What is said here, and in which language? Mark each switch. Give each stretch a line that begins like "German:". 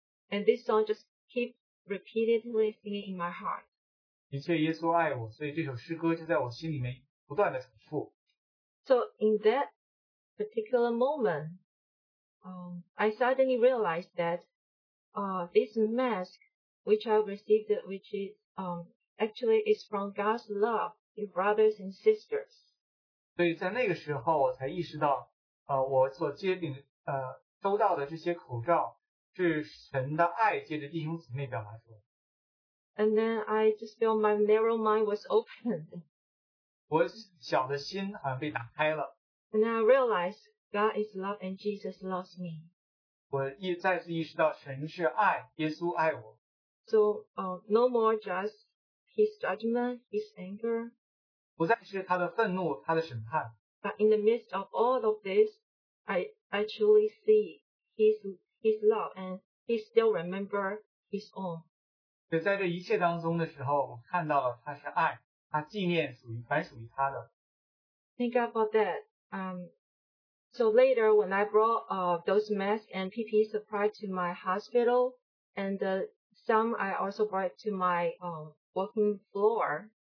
English: And this song just keep repeatedly singing in my heart.
Chinese: 的确，耶稣爱我，所以这首诗歌就在我心里面不断的重复。
English: So in that particular moment, I suddenly realized that this mask which I received, which is actually is from God's love to brothers and sisters.
Chinese: 所以在那个时候，我才意识到，我所接领收到的这些口罩。是神的爱借着弟兄姊妹表达出来。
English: And then I just feel my narrow mind was opened.
Chinese: 我小的心好像被打开了。
English: And then I realized God is love and Jesus loves me.
Chinese: 我再次意识到神是爱，耶稣爱我。
English: So no more just His judgment, His anger.
Chinese: 不再是他的愤怒，他的审判。
English: But in the midst of all of this, I actually see His love, and He still remember His own.
Chinese: 所以在这一切当中的时候，我看到了他是爱，他纪念属于凡属于他的。
English: Thank God for that. So later when I brought those masks and PP supply to my hospital, and some I also brought to my working floor.